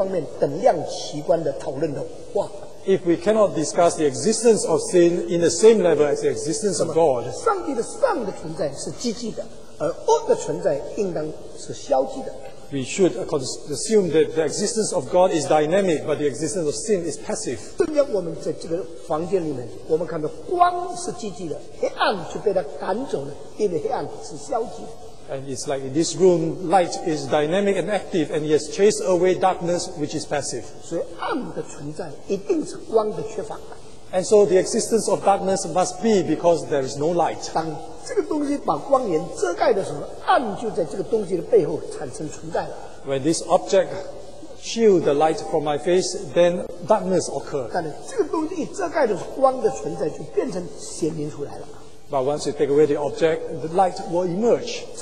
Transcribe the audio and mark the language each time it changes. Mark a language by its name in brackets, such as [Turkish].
[Chinese] 如果罪的存在跟上帝的存在不能在同样的这个积极性的方面等量齐观的讨论的话, [English] if we cannot discuss the existence of sin in the same level as the existence of God, [Chinese] 上帝的上的存在是积极的，而恶的存在应当是消极的。 [English] We should assume that the existence of God is dynamic, but the existence of sin is passive. [Chinese] 正像我们在这个房间里面，我们看到光是积极的，黑暗是被它赶走了，因为黑暗是消极的。 [English] And it's like in this room, light is dynamic and active, and He has chased away darkness, which is passive. [Chinese] 所以暗的存在一定是光的缺乏。 [English] And so the existence of darkness must be because there is no light. [Chinese] 当这个东西把光源遮盖的时候，暗就在这个东西的背后产生存在了。 [English] When this object shields the light from my face, then darkness occurs. [Chinese] 但这个东西一遮盖的时候，光的存在就变成显明出来了。 [English] But once you take away the object, the light will emerge.